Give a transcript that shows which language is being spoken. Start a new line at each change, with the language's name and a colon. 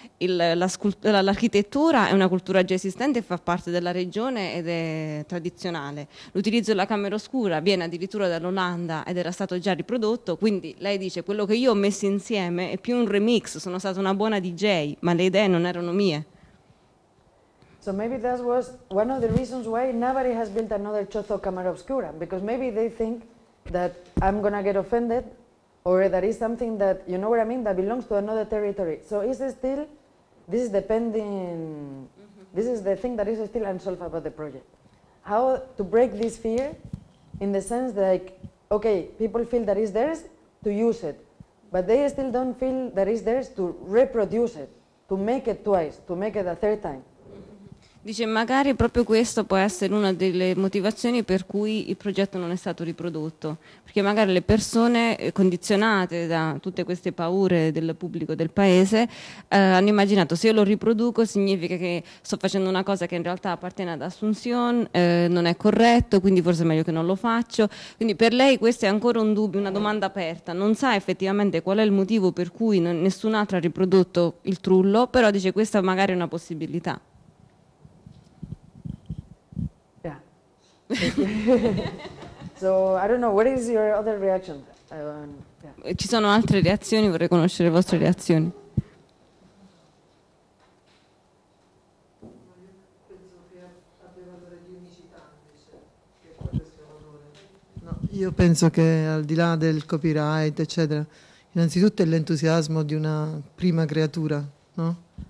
Italian: l'architettura è una cultura già esistente e fa parte della regione ed è tradizionale, l'utilizzo della camera oscura viene addirittura dall'Olanda ed era stato già riprodotto, quindi lei dice quello che io ho messo insieme è più un remix, sono stata una buona DJ, ma le idee non erano mie.
English: So maybe that was one of the reasons why nobody has built another Chozo camera oscura, because maybe they think that I'm gonna get offended, or that is something that, you know what I mean, that belongs to another territory. So is it still, this is depending, this is the thing that is still unsolved about the project. How to break this fear in the sense that, like, okay, people feel that it's theirs to use it, but they still don't feel that it's theirs to reproduce it, to make it twice, to make it a third time.
Italian: Dice, magari proprio questo può essere una delle motivazioni per cui il progetto non è stato riprodotto, perché magari le persone condizionate da tutte queste paure del pubblico del paese hanno immaginato, se io lo riproduco significa che sto facendo una cosa che in realtà appartiene ad Assunción, non è corretto, quindi forse è meglio che non lo faccio. Quindi per lei questo è ancora un dubbio, una domanda aperta, non sa effettivamente qual è il motivo per cui nessun altro ha riprodotto il trullo, però dice questa magari è una possibilità.
English: So I don't know, what is your other reaction?
Italian: Ci sono altre reazioni, vorrei conoscere le vostre reazioni. No, io penso che al di là del copyright, eccetera, innanzitutto è l'entusiasmo di una prima creatura, no?